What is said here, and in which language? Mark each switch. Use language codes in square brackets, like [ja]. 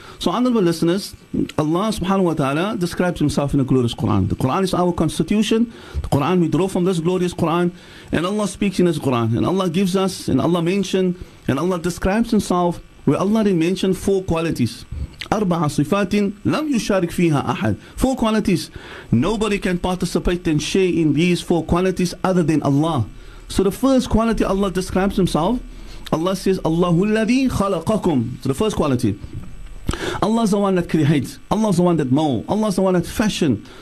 [en] So honorable listeners, Allah subhanahu wa ta'ala describes himself in the glorious Quran. The Quran is our constitution. The Quran, we draw from this glorious Quran, and Allah speaks in this Quran, and Allah gives us, and Allah mentions, and Allah describes himself, where Allah then mentioned four qualities. [ar] أربع صفات لم يشارك فيها أحد. [en] Four qualities. Nobody can participate and share in these four qualities other than Allah. So the first quality Allah describes himself. Allah says, [ar] اللَّهُ الَّذِي خَلَقَكُمْ. [en] So the first quality. Allah is the one that creates. Allah is the one that mold. Allah is the one that fashion.